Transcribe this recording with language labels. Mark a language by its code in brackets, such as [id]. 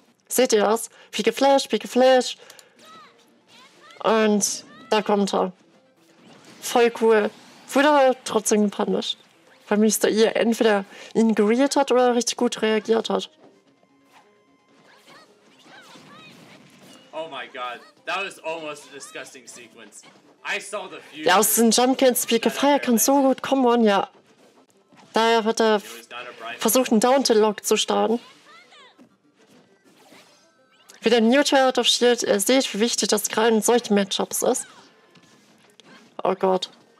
[de] Seht ihr das? Pike Flash, Pike Flash. Und da kommt er. Voll cool. Wurde aber trotzdem gepunished. Weil Mr. E entweder ihn gereelt hat oder richtig gut reagiert hat. [en] Oh my god, that was almost a disgusting sequence. I saw the future. [de] Ja, aus dem Jump Can't Speak of Fire kann so gut kommen, ja. Daher hat er versucht, einen Down-Tilt-Lock zu starten. Wie der Neutral out of Shield, ihr seht, wie wichtig das gerade in solchen Matchups ist. Oh Gott.